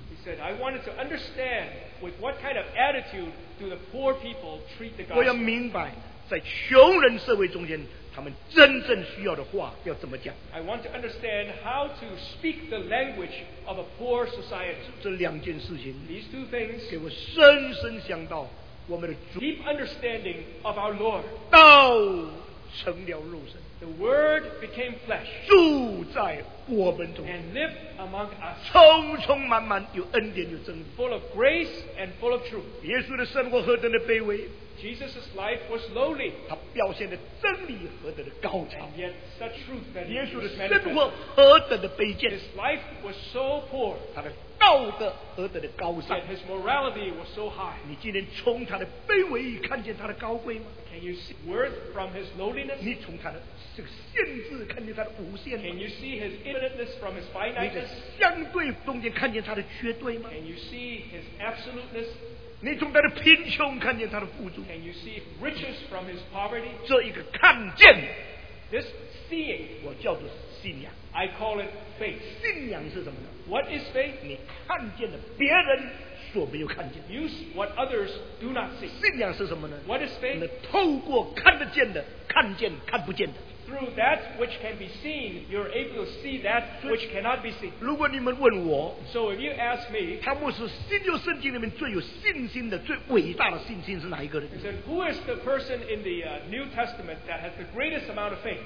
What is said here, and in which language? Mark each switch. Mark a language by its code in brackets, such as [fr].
[en] he said, I wanted to understand with what kind of attitude do the poor people treat the gospel. [zh] 我要明白, 在穷人社会中间, 他们真正需要的话, [en] I want to understand how to speak the language of a poor society. [zh] 这两件事情, [en] these two things, [zh] 给我深深想到我们的主, [en] deep understanding of our Lord. [zh] 道成了肉身, [en] the Word became flesh. [zh] 住在我们中间, [en] and lived among us. [zh] 充充满满有恩典有真理, [en] full of grace and full of truth. [zh] 耶稣的生活何等的卑微, [en] Jesus' life was lowly, [zh] 他表现的真理何等的高潮, [en] and yet such truth that [zh] 耶稣的生活何等的卑贱, [en] his life was so poor, [zh] 他的道德何等的高尚, [en] yet his morality was so high. [zh] 你今天从他的卑微看见他的高贵吗? [en] Can you see worth from his lowliness? [zh] 你从他的限制看见他的无限吗? [en] Can you see his infiniteness from his finiteness? [zh] 你在相对中间看见他的绝对吗? [en] Can you see his absoluteness? [zh] 你从他的贫穷看见他的富足, [en] can you see riches from his poverty? [zh] 这一个看见, [en] this seeing, [zh] 我叫做信仰, [en] I call it faith. [zh] 信仰是什么呢? [en] What is faith? [zh] 你看见了别人所没有看见, [en] use what others do not see. [zh] 信仰是什么呢? [en] What is faith? [zh] 你透过看得见的, 看见看不见的, [en] through that which can be seen, you're able to see that which cannot be seen. [zh] 如果你们问我, [en] so if you ask me, [zh] 他牧师新约圣经里面最有信心的, 最伟大的信心是哪一个人? [en] Said, who is the person in the New Testament that has the greatest amount of faith?